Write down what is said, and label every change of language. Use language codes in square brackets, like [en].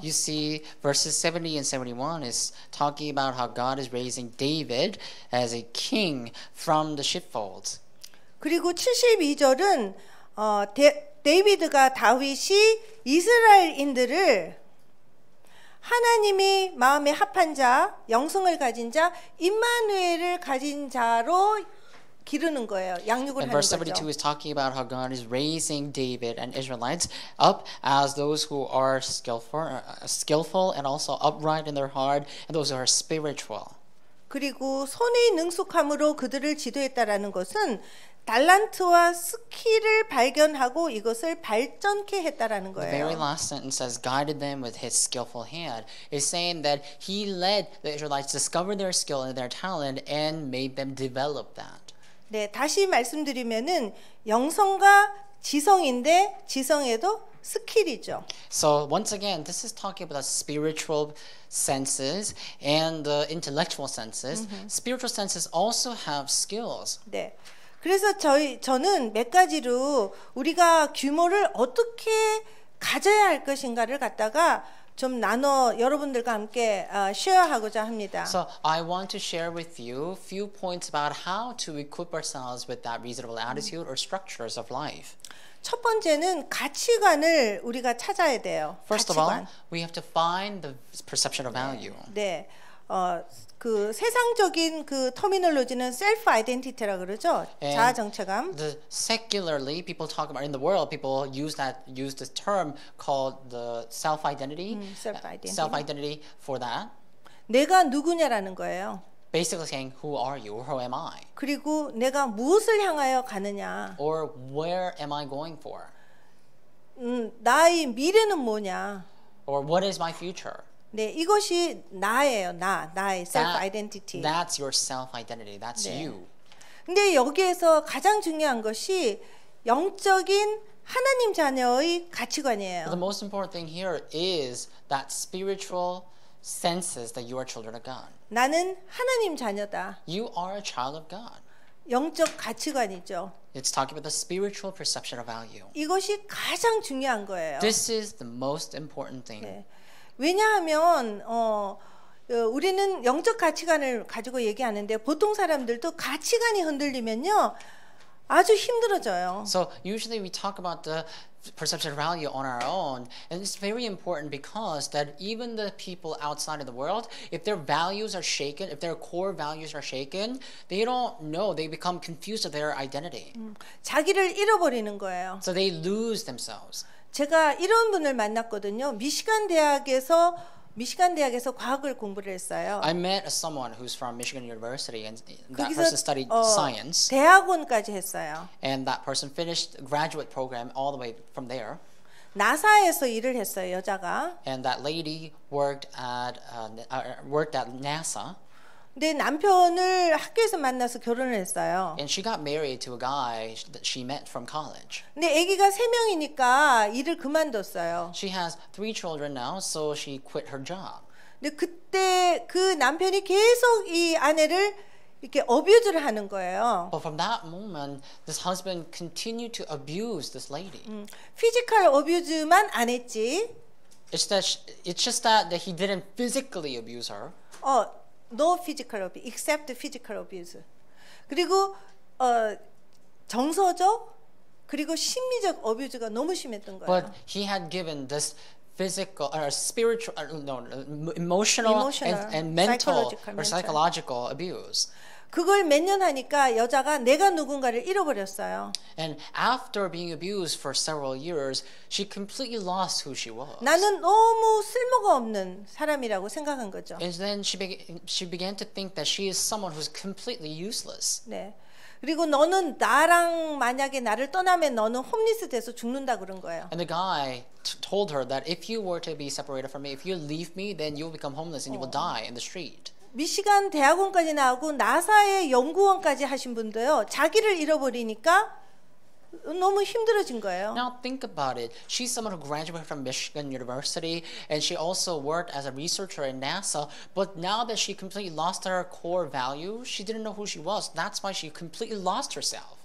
[en] You see verses 70 and 71 is talking about how God is raising David as a king from the sheepfold. [ko] 그리고 72절은 데이비드가 다윗이 이스라엘인들을 하나님이 마음에 합한 자, 영성을 가진 자, 임마누엘을 가진 자로 기르는 거예요. 양육을 하는 거죠. [en] And verse 72 is talking about how God is raising David and Israelites up as those who are skillful and also upright in their heart and those who are spiritual. [ko] 그리고 손의 능숙함으로 그들을 지도했다라는 것은 달란트와 스킬을 발견하고 이것을 발전케 했다라는 거예요. [en] The very last sentence says, "Guided them with his skillful hand." It's saying that he led the Israelites discover their skill and their talent and made them develop that. [ko] 네, 다시 말씀드리면은 영성과 지성인데 지성에도 스킬이죠. [en] So once again, this is talking about the spiritual senses and the intellectual senses. Mm-hmm. Spiritual senses also have skills. [ko] 네. 그래서 저는 몇 가지로 우리가 규모를 어떻게 가져야 할 것인가를 갖다가 좀 나눠 여러분들과 함께 쉐어하고자 합니다. [en] So I want to share with you a few points about how to equip ourselves with that reasonable attitude or structures of life. [ko] 첫 번째는 가치관을 우리가 찾아야 돼요. [en] First of all, we have to find the perception of value. [ko] 네. 그 세상적인 그 터미널로지는 셀프 아이덴티티라고 그러죠. [en] And [ko] 자아 정체감. [en] The secularly people talk about in the world people use this term called the self identity. Self identity for that. [ko] 내가 누구냐라는 거예요. [en] Basically saying who are you or who am I? [ko] 그리고 내가 무엇을 향하여 가느냐? [en] Or where am I going for? [ko] 나의 미래는 뭐냐? [en] Or what is my future? [ko] 네, 이것이 나예요. 나의 self identity. [en] That's your self identity. That's 네. you. [ko] 근데 여기에서 가장 중요한 것이 영적인 하나님 자녀의 가치관이에요. [en] The most important thing here is that spiritual senses that you are children of God. [ko] 나는 하나님 자녀다. [en] You are a child of God. [ko] 영적 가치관이죠. [en] It's talking about the spiritual perception of value. [ko] 이것이 가장 중요한 거예요. [en] This is the most important thing. [ko] 네. 왜냐하면 우리는 영적 가치관을 가지고 얘기하는데 보통 사람들도 가치관이 흔들리면요 아주 힘들어져요. [en] So usually we talk about the perception of value on our own, and it's very important because that even the people outside of the world, if their values are shaken, if their core values are shaken, they don't know. They become confused of their identity. [ko] 자기를 잃어버리는 거예요. [en] So they lose themselves. [ko] 제가 이런 분을 만났거든요. 미시간 대학에서 과학을 공부를 했어요. [en] I met someone who's from Michigan University and that person studied science. [ko] 대학원까지 했어요. [en] And that person finished graduate program all the way from there. [ko] 나사에서 일을 했어요, 여자가. [en] And that lady worked at worked at NASA. [ko] 근데 남편을 학교에서 만나서 결혼을 했어요. [en] And she got married to a guy that she met from college. [ko] 근데 아기가 세 명이니까 일을 그만뒀어요. [en] She has three children now, so she quit her job. [ko] 근데 그때 그 남편이 계속 이 아내를 이렇게 어뷰즈를 하는 거예요. [en] But from that moment, this husband continued to abuse this lady. [ko] 피지컬 어뷰즈만 안 했지. [en] It's that it's just that he didn't physically abuse her. No physical abuse, except physical abuse. [ko] 그리고 정서적 그리고 심리적 어뷰즈가 너무 심했던 거예요. [en] But he had given this physical or spiritual, emotional and mental or psychological abuse. [ko] 그걸 몇 년 하니까 여자가 내가 누군가를 잃어버렸어요. [en] And after being abused for several years, she completely lost who she was. [ko] 나는 너무 쓸모가 없는 사람이라고 생각한 거죠. [en] And then she began to think that she is someone who's completely useless. [ko] 네. 그리고 너는 나랑 만약에 나를 떠나면 너는 홈리스 돼서 죽는다 그런 거예요. [en] And the guy told her that if you were to be separated from me, if you leave me, then you'll become homeless and you will die in the street. [ko] 미시간 대학원까지 나오고 나사의 연구원까지 하신 분도요. 자기를 잃어버리니까 너무 힘들어진 거예요. [en] Now think about it. She's someone who graduated from Michigan University and she also worked as a researcher in NASA. But now that she completely lost her core value, she didn't know who she was. That's why she completely lost herself.